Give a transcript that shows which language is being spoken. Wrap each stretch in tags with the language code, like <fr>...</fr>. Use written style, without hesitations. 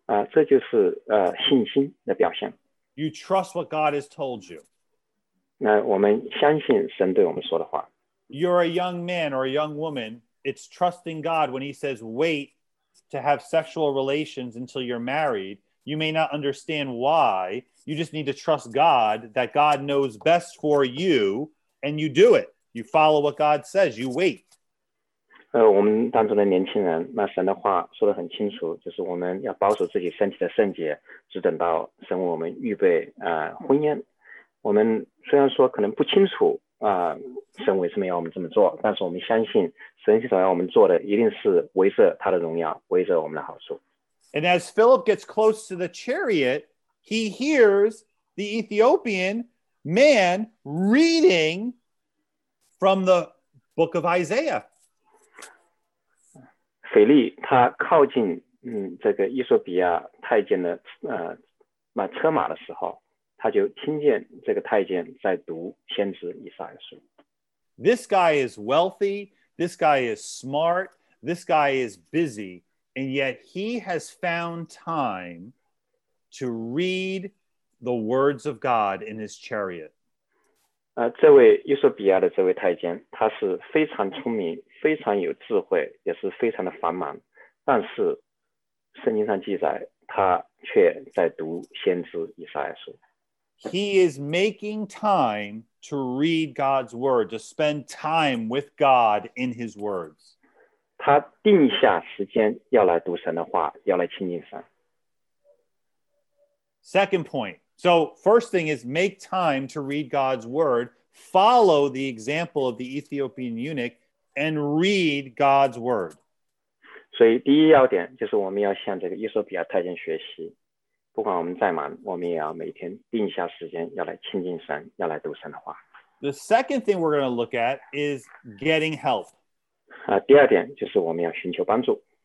<zh>这就是信心的表现</zh> <en>You trust what God has told you</en> <zh>那我们相信神对我们说的话</zh> <en>You're a young man or a young woman It's trusting God when he says waitto have sexual relations until you're married, you may not understand why. You just need to trust God, that God knows best for you, and you do it. You follow what God says. You wait.</en> <zh>我们当中的年轻人，那神的话说得很清楚，就是我们要保守自己身体的圣洁，只等到神为我们预备婚姻。我们虽然说可能不清楚神为什么要我们这么做，但是我们相信神所要我们做的一定是为着他的荣耀，为着我们的好处。</zh> <en>And as Philip gets close to the chariot, he hears the Ethiopian man reading from the book of Isaiah.</en> <zh>腓力他靠近这个以索比亚太监的车马的时候，他就听见这个太监在读先知以赛亚书。</zh> <en>This guy is wealthy. This guy is smart, this guy is busy, and yet he has found time to read the words of God in his chariot.</en> <zh>这位以索比亚的这位太监，他是非常聪明，非常有智慧，也是非常的繁忙，但是圣经上记载，他却在读先知以赛亚书。</zh> <en>He is making time to read God's word, to spend time with God in his words.</en> <zh>他定下时间要来读神的话，要来亲近神。</zh> <en>Second point. So first thing is make time to read God's word, follow the example of the Ethiopian eunuch, and read God's word.</en> <zh>所以第一要点就是我们要向这个以索比亚太监学习。不管我们再忙，我们也要每天定下时间，要来亲近神，要来读神的话。</zh> <en>The second thing we're going to look at is getting help.</en> <zh>第二点就是我们要寻求帮助。</zh>